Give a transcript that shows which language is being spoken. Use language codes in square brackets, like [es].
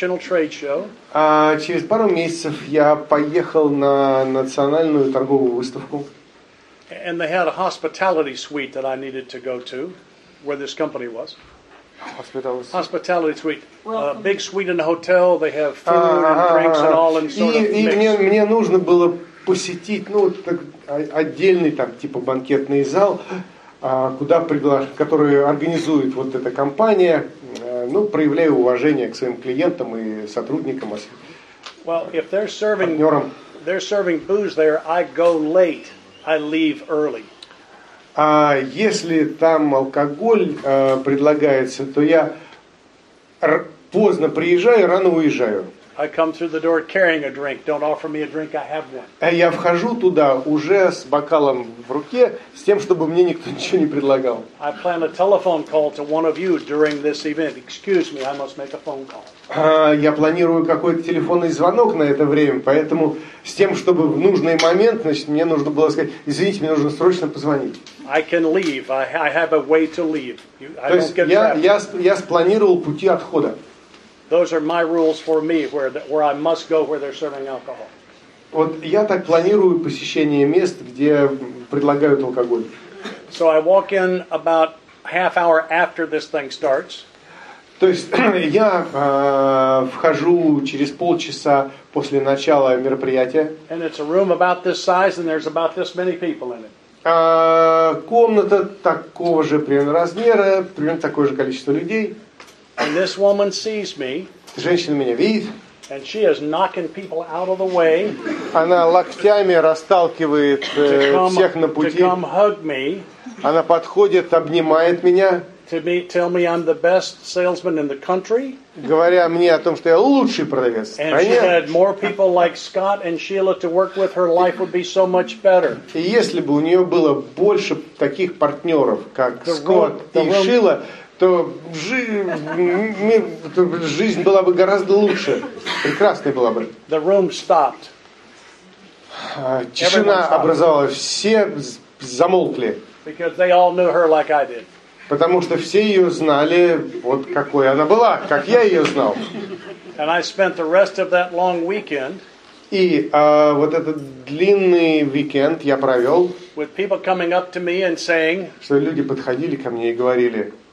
[ru] Через пару месяцев я поехал на национальную торговую выставку. [en] And they had a hospitality suite that I needed to go to, where this company was. Hospitality suite. Big suite in the hotel. They have food and drinks and all in sort of mix. [ru] Мне нужно было посетить, ну, так, отдельный там, типа, банкетный зал, куда который организует вот эта компания, ну, проявляя уважение к своим клиентам и сотрудникам, [en] Well, if they're serving, [ru] партнерам. [en] They're serving booze there, I go late. I leave early. [ru] А если там алкоголь предлагается, то я поздно приезжаю, рано уезжаю. [en] I come through the door carrying a drink. Don't offer me a drink, I have one. [ru] А я вхожу туда уже с бокалом в руке, с тем, чтобы мне никто ничего не предлагал. [en] I plan a telephone call to one of you during this event. Excuse me, I must make a phone call. [ru] Я планирую какой-то телефонный звонок на это время, поэтому с тем, чтобы в нужный момент, значит, мне нужно было сказать, извините, мне нужно срочно позвонить. [en] I can leave. I have a way to leave. [ru] То есть я спланировал пути отхода. [en] Those are my rules for me, where I must go where they're serving alcohol. [ru] Вот я так планирую посещение мест, где предлагают алкоголь. [en] So I walk in about half hour after this thing starts. [ru] То есть я вхожу через полчаса после начала мероприятия. [en] And it's a room about this size, and there's about this many people in it. [ru] Комната такого же примерно размера, примерно такое же количество людей. [en] And this woman sees me. [ru] Женщина меня видит. [en] And she is knocking people out of the way. [ru] Она локтями расталкивает всех на пути. [en] To come hug me. [ru] Она подходит, обнимает меня. [en] Tell me I'm the best salesman in the country. [ru] Говоря мне о том, что я лучший продавец. [en] And she had more people like Scott and Sheila to work with, her life would be so much better. [ru] И если бы у нее было больше таких партнеров, как Скотт и Шила, то жизнь была бы гораздо лучше. Прекрасной была бы. [en] The room stopped. [ru] Тишина образовалась. Все замолкли. [en] Because they all knew her like I did. [ru] Потому что все ее знали, вот какой она была, как я ее знал. [en] And I spent the rest of that long weekend. [ru] И вот этот длинный уикенд я провел. [en] With people coming up to me and saying, [ru] что люди подходили ко мне и говорили,